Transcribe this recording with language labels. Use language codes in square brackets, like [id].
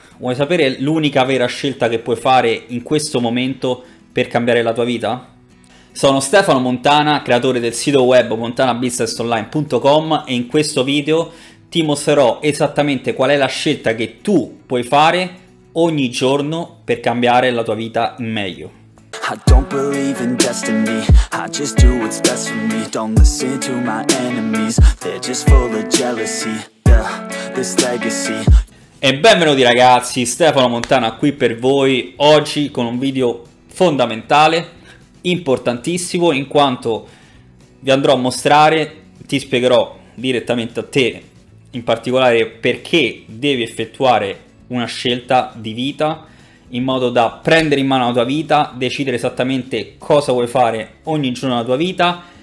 [it] Vuoi sapere l'unica vera scelta che puoi fare in questo momento per cambiare la tua vita? Sono Stefano Montana, creatore del sito web montanabusinessonline.com e in questo video ti mostrerò esattamente qual è la scelta che tu puoi fare ogni giorno per cambiare la tua vita in meglio. [en] I don't believe in destiny, I just do what's best for me. Don't listen to my enemies, they're just full of jealousy. This legacy. [it] E benvenuti ragazzi, Stefano Montana qui per voi oggi con un video fondamentale, importantissimo, in quanto vi andrò a mostrare, ti spiegherò direttamente a te in particolare perché devi effettuare una scelta di vita in modo da prendere in mano la tua vita, decidere esattamente cosa vuoi fare ogni giorno della tua vita